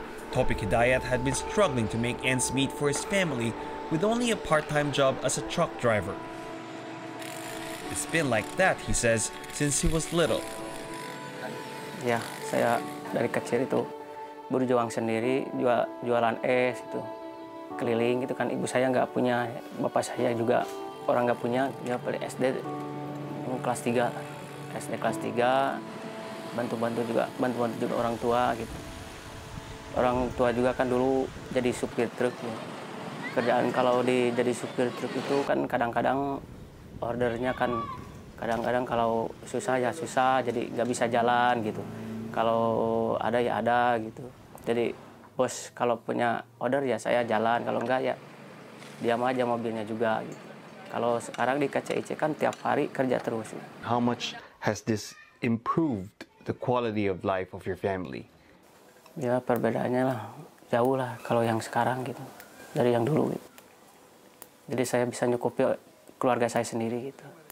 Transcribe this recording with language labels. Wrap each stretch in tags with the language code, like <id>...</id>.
<en>Topik Hidayat had been struggling to make ends meet for his family with only a part-time job as a truck driver. It's been like that, he says, since he was little. Yeah,</en> <id>saya dari kecil itu berjuang sendiri, jualan es itu, keliling gitu kan. Ibu saya nggak punya, bapak saya juga orang nggak punya. Dia beli SD kelas 3, SD kelas 3, bantu-bantu juga orang tua gitu. Orang tua juga kan dulu jadi supir truk. Gitu. Kerjaan kalau di jadi supir truk itu kan kadang-kadang ordernya kan kadang-kadang kalau susah ya susah, jadi nggak bisa jalan gitu. Kalau ada ya ada gitu. Jadi bos kalau punya order ya saya jalan, kalau enggak ya diam aja mobilnya juga gitu. Kalau sekarang di KCIC kan tiap hari kerja terus.</id> <en>How much has this improved the quality of life of your family?</en> <id>Ya perbedaannya lah, jauh lah kalau yang sekarang gitu, dari yang dulu gitu. Jadi saya bisa nyukupi keluarga saya sendiri gitu.</id>